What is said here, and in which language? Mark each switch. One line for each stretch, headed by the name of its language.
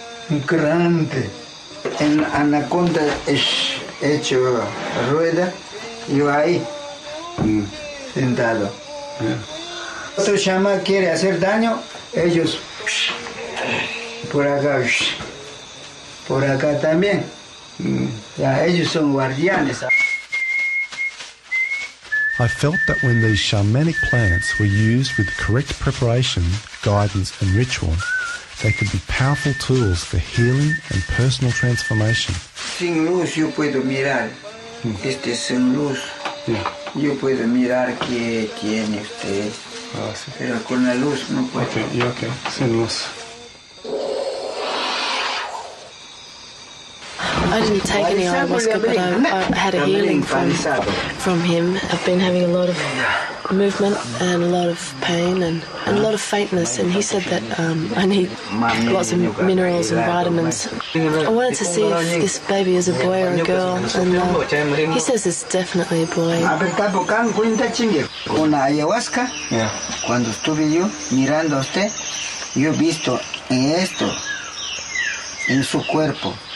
Spanish: Un grande. En anaconda es hecho rueda. Yo ahí. Mm. Sentado. Yeah. Otro chamán quiere hacer daño, ellos por acá también. Mm. Ya, ellos son guardianes.
English: I felt that when these shamanic plants were used with the correct preparation, guidance, and ritual, they could be powerful tools for healing and personal transformation.
Spanish: Sin luz, yo puedo mirar. Mm. Este es sin luz. Yeah. Yo puedo mirar qué tiene usted, sí. Pero con la luz no puedo. Ok, sin luz.
English: I didn't take any ayahuasca, but I had a healing from him. I've been having a lot of movement and a lot of pain and a lot of faintness, and he said that I need lots of minerals and vitamins. I wanted to see if this baby is a boy or a girl, and he says it's definitely a boy.
Spanish: Con ayahuasca, cuando estuve yo mirando a usted, yo he visto en esto, en su cuerpo.